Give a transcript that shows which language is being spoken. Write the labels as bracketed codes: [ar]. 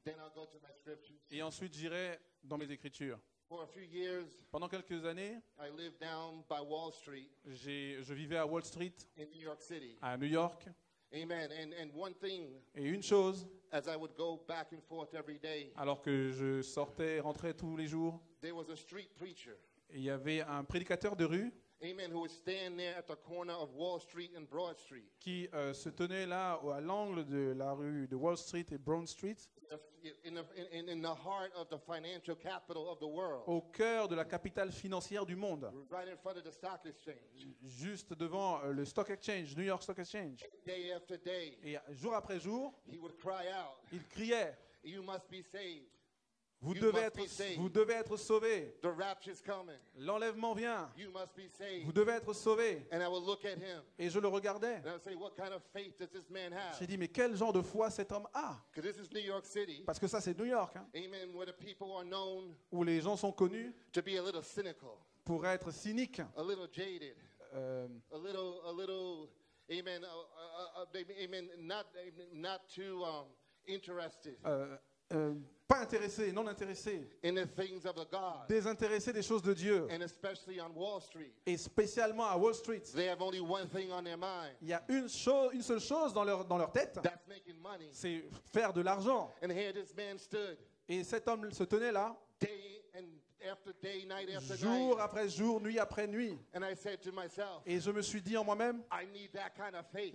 [en] Then I'll go to my scriptures. [fr] Et ensuite j'irai dans mes Écritures. [en] For a few years, [fr] pendant quelques années, [en] I lived down by Wall Street, [fr] je vivais à Wall Street, [en] in New York City. [fr] À New York. [en] Amen. And one thing, [fr] et une chose, [en] as I would go back and forth every day, [fr] alors que je sortais, rentrais tous les jours, [en] there was a street preacher, [fr] il y avait un prédicateur de rue. Amen. [en] Who would stand there at the corner of Wall Street and Broad Street? [fr] Qui se tenait là à l'angle de la rue de Wall Street et Broad Street? [en] In the heart of the financial capital of the world. [fr] Au cœur de la capitale financière du monde. [en] Right in front of the stock exchange. [fr] Juste devant le stock exchange, New York Stock Exchange. [en] Day after day. [fr] Et jour après jour. [en] He would cry out. [fr] Il criait. [en] You must be saved. [fr] Vous devez, vous devez être sauvé. [en] The rapture is coming. [fr] L'enlèvement vient. [en] You must be saved. [fr] Vous devez être sauvé. [en] And I will look at him. [fr] Et je le regardais. [en] And I will say, what kind of faith does this man have? [fr] J'ai dit, mais quel genre de foi cet homme a? [en] Because this is New York City. [fr] Parce que ça, c'est New York. Hein. [en] Amen. Where the people are known [fr] où les gens sont connus [en] to be a little cynical. [fr] pour être cynique. [en] A little jaded. Amen. Amen. Not too interested. [fr] Pas intéressé, non intéressé. [en] In the things of the God. [fr] Désintéressé des choses de Dieu. [en] And especially on Wall Street. [fr] Et spécialement à Wall Street. [en] They have only one thing on their mind. [fr] Il y a une seule chose dans leur tête. [en] That's making money. [fr] C'est faire de l'argent. [en] And here this man stood. [fr] Et cet homme se tenait là. [en] Day and after day, night after [fr] jour [en] night. [fr] Après jour, nuit après nuit. [en] And I said to myself, [fr] et je me suis dit en moi-même, [en] I need that kind of faith.